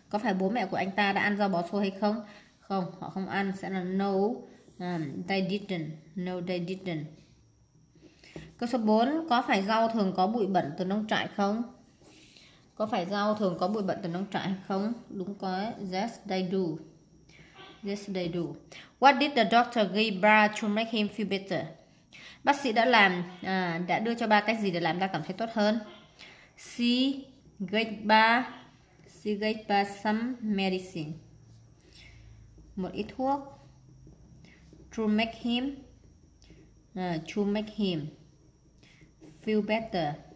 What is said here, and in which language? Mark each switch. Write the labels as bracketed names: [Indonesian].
[Vietnamese] Có phải bố mẹ của anh ta đã ăn rau bò xôi hay không? Không, họ không ăn. Sẽ là no. [English] They didn't. No, they didn't. [Vietnamese] Câu số 4. Có phải rau thường có bụi bẩn từ nông trại không? Có phải rau thường có bụi bẩn từ nông trại hay không? Đúng có. [English] Yes, they do. Yes, they do. What did the doctor give Bra to make him feel better? [Vietnamese] Bác sĩ đã làm, đã đưa cho ba cách gì để làm ta cảm thấy tốt hơn? [English] She gave ba some medicine. [Vietnamese] Một ít thuốc. [English] To make him feel better.